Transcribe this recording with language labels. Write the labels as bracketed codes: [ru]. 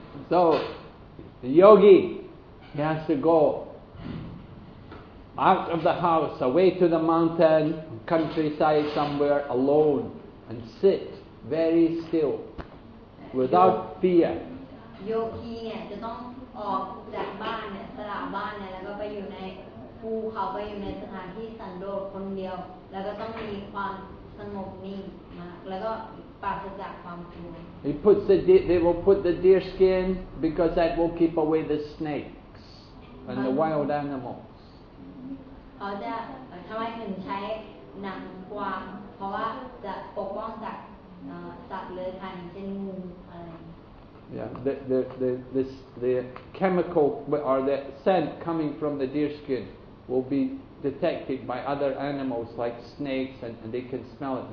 [en] So, the yogi, he has to go out of the house, away to the mountain, countryside somewhere, alone, and sit very still, without fear. Yogi, he has to go out of the house, and go to the mountain, [th] ภูเขาไปอยู่ในสถานที่สันโดษคนเดียวแล้วก็ต้องมีความสงบนิ่งมากแล้วก็ปราศจากความกลัว [en] He puts the they will put the deer skin because that will keep away the snakes and the wild animals [th] เขาจะทำไมถึงใช้หนังกวางเพราะว่าจะปกป้องจากสัตว์เลื้อยคลานเช่นงู [en] Yeah, the chemical or the scent coming from the deer skin will be detected by other animals like snakes and they can smell it.